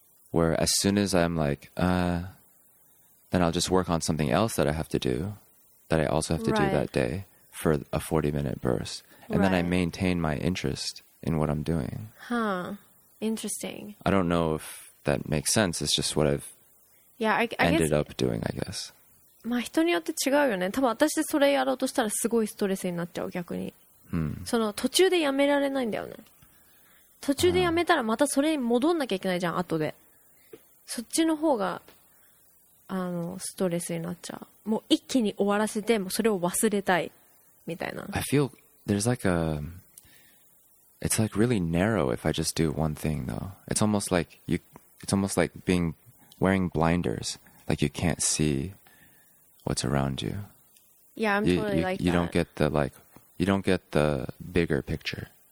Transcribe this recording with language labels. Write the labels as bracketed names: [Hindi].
[English] Where as soon as I'm like, then I'll just work on something else that I have to do, that I also have to do that day for a 40-minute burst. And then I maintain my interest in what I'm doing. Huh. Interesting. I don't know if that makes sense. It's just what I've up doing, I guess. [Japanese] まあ人によって違うよね。多分私それやろうとしたらすごいストレスになっちゃう逆に。その途中でやめられないんだよね。途中でやめたらまたそれに戻んなきゃいけないじゃん、後で。そっちの方がストレスになっちゃう。もう一気に終わらせてもうそれを忘れたいみたいな。 [English] I feel there's like a it's like really narrow if I just do one thing though. It's almost like you it's almost like being wearing blinders like you can't see what's around you. Yeah, I'm totally like that. You don't get the like you don't get the bigger picture.